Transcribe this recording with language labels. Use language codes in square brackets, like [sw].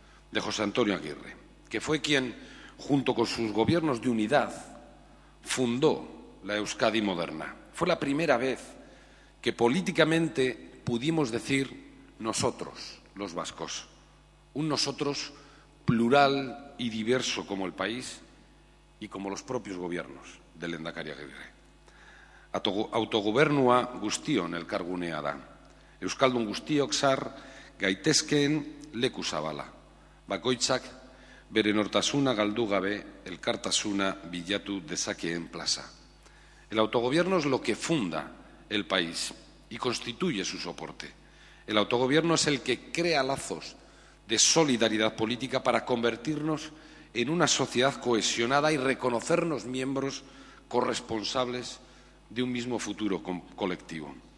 [es] de José Antonio Aguirre, que fue quien, junto con sus gobiernos de unidad, fundó la Euskadi moderna. Fue la primera vez que políticamente pudimos decir nosotros, los vascos, un nosotros plural y diverso como el país y como los propios gobiernos del Lehendakari Aguirre. [eu] Autogobernua guztion elkargunea da. Euskaldun guztiok sar gaitezkeen leku zabala. Bakoitzak bere nortasuna galdu gabe elkartasuna bilatu dezakeen plaza. [es] El autogobierno es lo que funda el país y constituye su soporte. El autogobierno es el que crea lazos de solidaridad política para convertirnos en una sociedad cohesionada y reconocernos miembros corresponsables de un mismo futuro colectivo.